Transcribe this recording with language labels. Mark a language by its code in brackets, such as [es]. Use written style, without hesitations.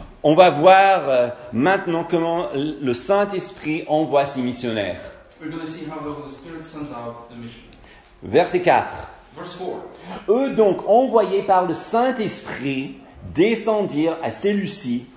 [fr] on va voir maintenant comment le Saint-Esprit envoie ses missionnaires. [en] We're gonna see how the Holy Spirit sends out the missionaries. [fr] Verset 4. [en] Verse 4. [fr] Eux donc, envoyés par le Saint-Esprit, descendirent à Séleucie.